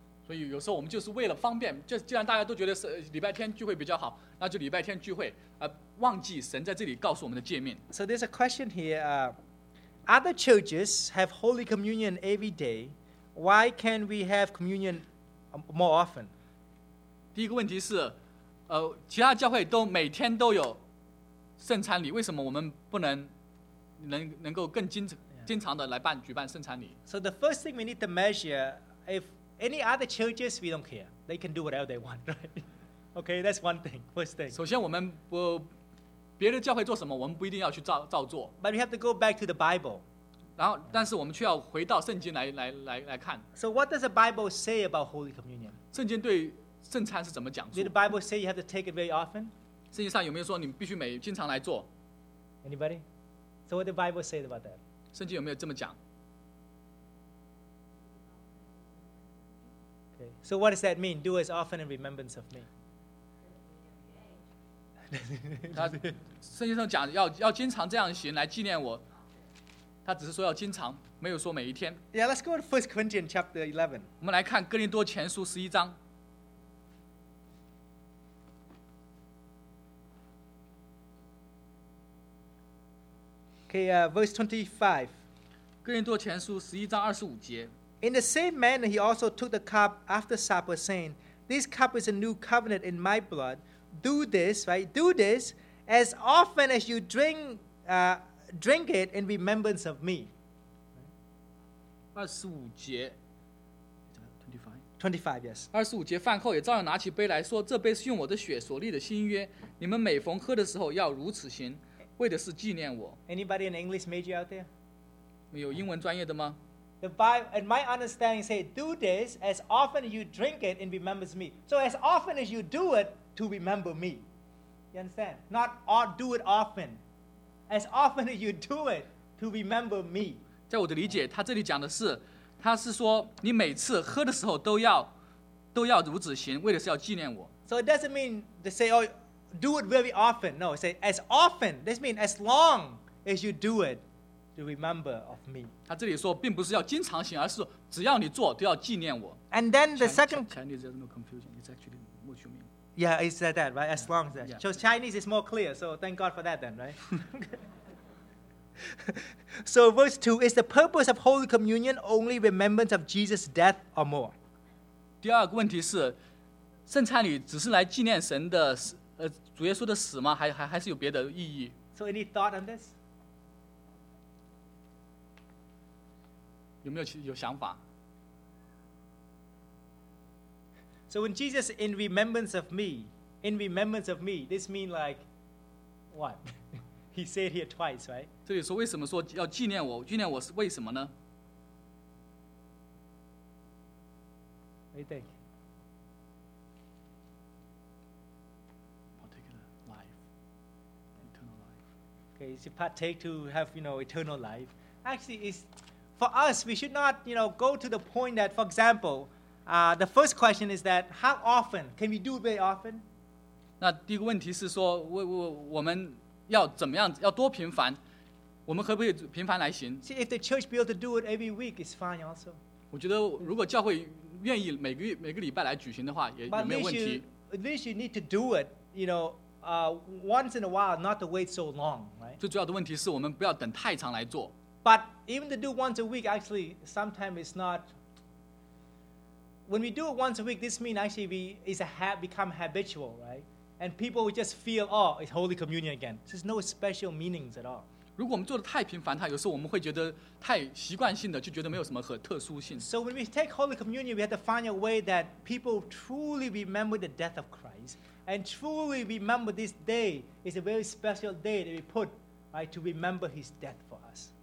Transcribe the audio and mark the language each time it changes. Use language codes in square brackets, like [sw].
[zh] 所以有时候我们就是为了方便，就既然大家都觉得是礼拜天聚会比较好，那就礼拜天聚会，忘记神在这里告诉我们的诫命。 [en] So there's a question here. Other churches have Holy Communion every day. Why can't we have communion more often? [zh] 第一个问题是，其他教会都每天都有。圣餐礼为什么我们不能够更经常的来办举办圣餐礼 [en] ？So the first thing we need to measure if any other churches we don't care, they can do whatever they want, right? Okay, that's one thing. First thing. [zh] 首先我们不别的教会做什么，我们不一定要去照做。 [en] But we have to go back to the Bible. [zh] 然后，但是我们却要回到圣经来看。 [en] So what does the Bible say about Holy Communion? [zh] 圣经对圣餐是怎么讲述 [en] ？Did the Bible say you have to take it very often? [zh] 圣经上有没有说你必须经常来做 [en] ？Anybody? So what the Bible say about that? [zh] 圣经有没有这么讲 [en] ？Okay. So what does that mean? Do as often in remembrance of me. [zh] 他圣经上讲要经常这样行来纪念我。他只是说要经常，没有说每一天。 [en] Yeah, let's go to First Corinthians chapter 11. [zh] 我们来看哥林多前书十一章。 [en] Okay, verse 25. [zh] 哥林多前书十一章二十五节。 [en] In the same manner, he also took the cup after supper, saying, "This cup is a new covenant in my blood. Do this, right? Do this as often as you drink it in remembrance of me." [zh] 二十五节。 [en] 25, yes. [zh] 二十五节，饭后也照样拿起杯来说：“这杯是用我的血所立的新约，你们每逢喝的时候要如此行，为的是纪念我。” [en] Anybody an English major out there? [zh] 没有英文专业的吗？ [en] The Bible, in my understanding, say, "Do this as often as you drink it in remembrance of me." So as often as you do it to remember me, you understand? Not all, do it often. As often as you do it to remember me. [zh] 在我的理解，他这里讲的是。他是说，你每次喝的时候都要如此行，为的是要纪念我。 [en] So it doesn't mean to say, "Oh, do it very often." No, say as often. This means as long as you do it to remember of me. [zh] 他这里说，并不是要经常行，而是只要你做，都要纪念我。 [en] And then the second Chinese is no confusion. It's actually what you mean. Yeah, he said that right. As long as that. Yeah. So Chinese is more clear. So thank God for that, then, right? So verse 2, is the purpose of Holy Communion only remembrance of Jesus' death or more? [zh] 第二个问题是，圣餐礼只是来纪念神的，主耶稣的死吗？还是有别的意义？ [en] So any thought on this? [zh] 有没有想法？ [en] So when Jesus in remembrance of me, this means like what? He said here twice, right? [zh] 这里说为什么说要纪念我？纪念我是为什么呢？ [en] What do you think? Particular life, eternal life. Okay, it's a partake to have, you know, eternal life. Actually, it's, for us, we should not, you know, go to the point that, for example, the first question is that, how often? Can we do it very often? [zh] 那第一个问题是说，我们要怎么样？要多频繁？我们可不可以频繁来行 [en] ？See if the church be able to do it every week, it's fine also. [zh] 我觉得如果教会愿意每个礼拜来举行的话，也没有问题。 [en] But at least you need to do it, you know, once in a while, not to wait so long, right? [zh] 最主要的问题是我们不要等太长来做。 [en] But even to do once a week, actually, sometimes it's not. When we do it once a week, this means actually become habitual, right? And people will just feel, oh, it's Holy Communion again. There's no special meanings at all. [zh] 如果我们做的太频繁，它有时候我们会觉得太习惯性的，就觉得没有什么很特殊性。 [en] So when we take Holy Communion, we have to find a way that people truly remember the death of Christ and truly remember this day is a very special day that we put, right, to remember His death for us.